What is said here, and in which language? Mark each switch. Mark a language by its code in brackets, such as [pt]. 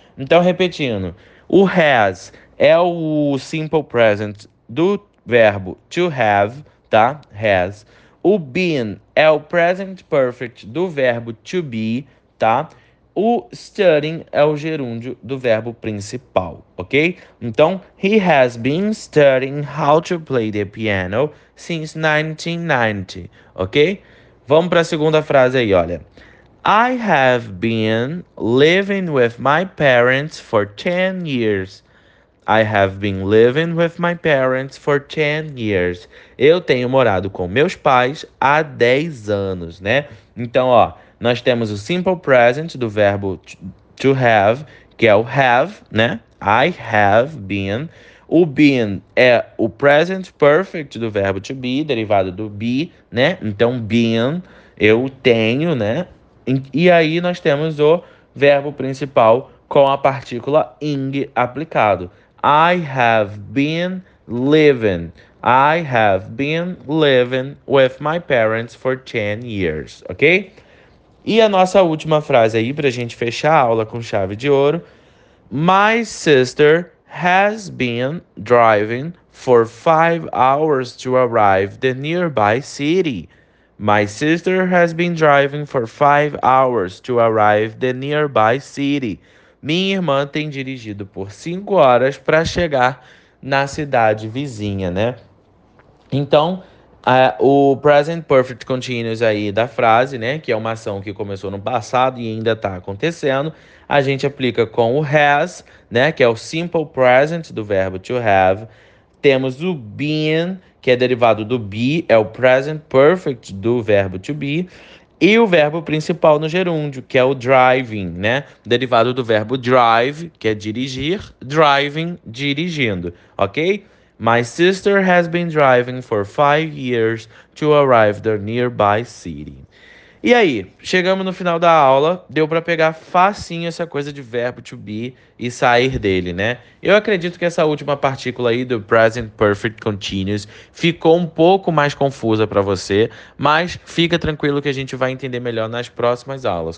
[pt] Então, repetindo, o has é o simple present do verbo to have, tá? Has. O been é o present perfect do verbo to be, tá? O studying é o gerúndio do verbo principal, ok? [en] Então, he has been studying how to play the piano since 1990, ok? [pt] Vamos para a segunda frase aí, olha. [en] I have been living with my parents for 10 years. I have been living with my parents for 10 years. [pt] Eu tenho morado com meus pais há 10 anos, né? Então, ó, nós temos o simple present do verbo to have, que é o have, né? [en] I have been. [pt] O been é o present perfect do verbo to be, derivado do be, né? Então, been, eu tenho, né? E aí nós temos o verbo principal com a partícula ing aplicado. [en] I have been living. I have been living with my parents for 10 years, ok? [pt] E a nossa última frase aí para a gente fechar a aula com chave de ouro. [en] My sister has been driving for 5 hours to arrive the nearby city. My sister has been driving for 5 hours to arrive the nearby city. [pt] Minha irmã tem dirigido por 5 horas para chegar na cidade vizinha, né? Então, o Present Perfect Continuous aí da frase, né? Que é uma ação que começou no passado e ainda está acontecendo. A gente aplica com o has, né? Que é o simple present do verbo to have. Temos o been, que é derivado do be, é o present perfect do verbo to be. E o verbo principal no gerúndio, que é o driving, né? Derivado do verbo drive, que é dirigir, driving, dirigindo, ok? [en] My sister has been driving for 5 years to arrive their nearby city. [pt] E aí, chegamos no final da aula, deu para pegar facinho essa coisa de verbo to be e sair dele, né? Eu acredito que essa última partícula aí do Present Perfect Continuous ficou um pouco mais confusa para você, mas fica tranquilo que a gente vai entender melhor nas próximas aulas.